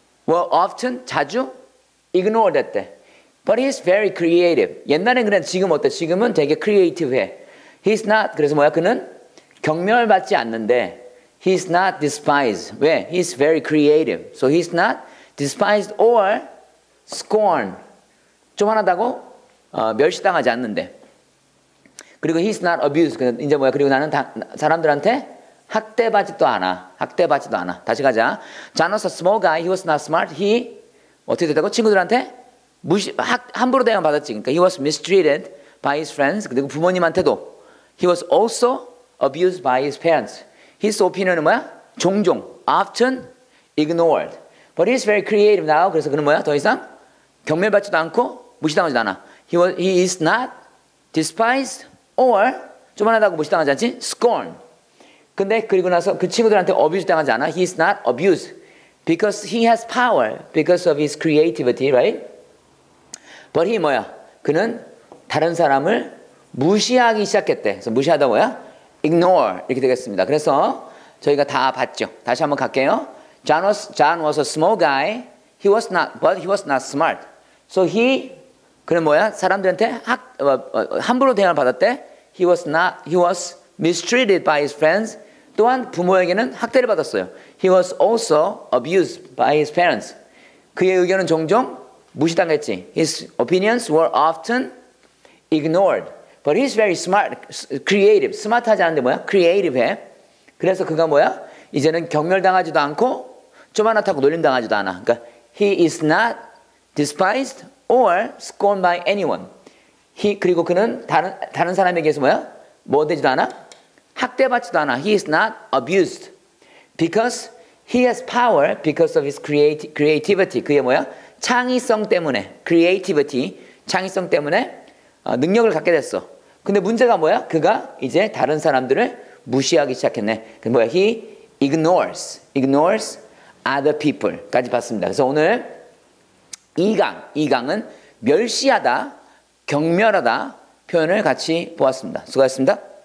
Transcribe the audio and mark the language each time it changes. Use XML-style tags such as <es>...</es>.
<en>Were often, 자주 ignored 했대. But he's very creative.</en> <ko>옛날엔 그래, 지금 어때? 지금은 되게 creative 해. He's not, 그래서 뭐야? 그는 경멸받지 않는데,</ko> <en>he's not despised.</en> <ko>왜?</ko> <en>He's very creative. So he's not despised or scorned.</en> <ko>쪼만하다고 멸시당하지 않는데.</ko> <en>그리고 he's not abused.</en> <ko>이제 뭐야? 그리고 나는 사람들한테 학대받지도 않아.</ko> <en>다시 가자. John was a small guy. He was not smart. He,</en> <ko>어떻게 됐다고? 친구들한테 함부로 대응 받았지.</ko> <en>그러니까 he was mistreated by his friends.</en> <ko>그리고 부모님한테도.</ko> <en>He was also abused by his parents. His opinion은 뭐야? 종종, often ignored. But he's very creative now.</en> <ko>그래서 그는 뭐야? 더 이상 경멸받지도 않고 무시당하지도 않아.</ko> <en>He is not despised or</en> <ko>조만하다고 무시당하지 않지?</ko> <en>Scorn.</en> <ko>근데 그리고 나서 그 친구들한테 abused 당하지 않아?</ko> <en>He is not abused because he has power because of his creativity, right? But he</en> <ko>뭐야? 그는 다른 사람을 무시하기 시작했대. 그래서 무시하다 뭐야? Ignore 이렇게 되겠습니다. 그래서 저희가 다 봤죠. 다시 한번 갈게요.</ko> <en>John was a small guy. He was not smart. So he</en> <ko>그는 뭐야? 사람들한테 함부로 대응을 받았대.</ko> <en>He was mistreated by his friends.</en> <ko>또한 부모에게는 학대를 받았어요.</ko> <en>He was also abused by his parents.</en> <ko>그의 의견은 종종 무시당했지.</ko> <en>His opinions were often ignored. But he's very smart, creative.</en> <ko>스마트하지 않은데 뭐야? Creative해. 그래서 그가 뭐야? 이제는 경멸당하지도 않고 쪼만하다고 놀림당하지도 않아.</ko> <en>그러니까 he is not despised or scorned by anyone.</en> <ko>그리고 그는 다른 사람에게서 뭐야? 뭐 되지도 않아? 학대받지도 않아.</ko> <en>He is not abused because he has power because of his creativity.</en> <ko>그게 뭐야? 창의성 때문에. Creativity, 창의성 때문에 능력을 갖게 됐어. 근데 문제가 뭐야? 그가 이제 다른 사람들을 무시하기 시작했네. 그 뭐야?</ko> <en>He ignores other people까지 봤습니다.</en> <ko>그래서 오늘 2강은 멸시하다, 경멸하다 표현을 같이 보았습니다. 수고하셨습니다.</ko>